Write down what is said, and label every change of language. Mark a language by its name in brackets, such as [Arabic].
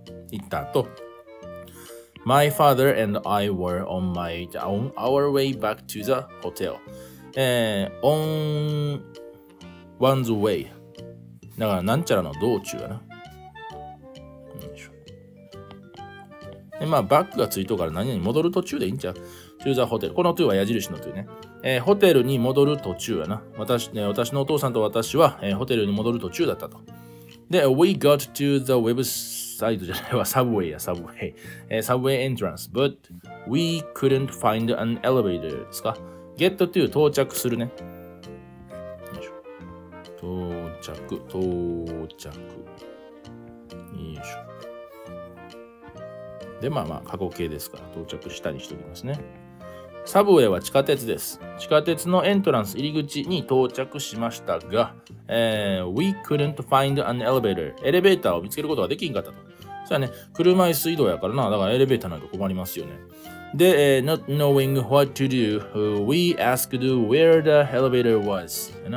[Japanese] 行った後、 [English] My father and I were on my, on our way back to the hotel. On one's way. [Japanese] だから、なんちゃらの道中やな。でまあ、バックがついとうから何々戻る途中でいいんちゃう [English] to the hotel. [Japanese] この to は矢印の to ね、ホテルに戻る途中やな。私のお父さんと私は、ホテルに戻る途中だったと。で、 [English] we got to the website [Japanese] じゃないわ、サブウェイや、サブウェイ。 [English] サブウェイ entrance, but we couldn't find an elevator [Japanese] ですか。 get to 到着するね。よいしょ。到着。よいしょ。で、まあまあ、過去形ですから、到着したりしておきますね。サブウェイは地下鉄です。地下鉄のエントランス入り口に到着しましたが、 [English] we couldn't find an elevator. [Japanese] エレベーターを見つけることができんかったと。そやね、車椅子移動やからな、だからエレベーターなんか困りますよね。 [English] で、not knowing what to do, we asked where the elevator was.